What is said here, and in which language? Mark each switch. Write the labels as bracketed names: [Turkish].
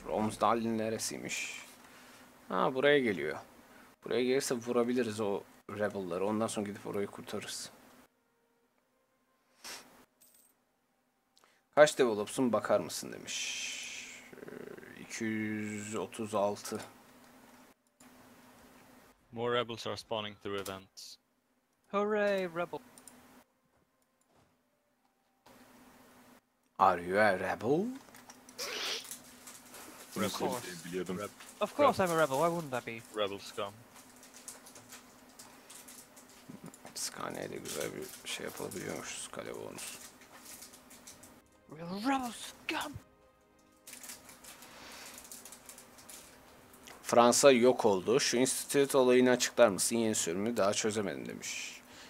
[Turkish] Romsdal'in neresiymiş? Ha, buraya geliyor. Buraya gelirse vurabiliriz o rebel'ları. Ondan sonra gidip orayı kurtarırız. Kaç develops'un bakar mısın demiş. 236. [English] More rebels are spawning through events. Hooray rebel. Are you a rebel? Of course rebel. I'm a rebel, why wouldn't that be? Rebel scum. [Turkish] Scania'ya da güzel bir şey yapabiliyormuş Scalia bonus. [English] Real rebel scum! [Turkish] Fransa yok oldu. Şu institute olayını açıklar mısın? Yeni sürümü daha çözemedim demiş.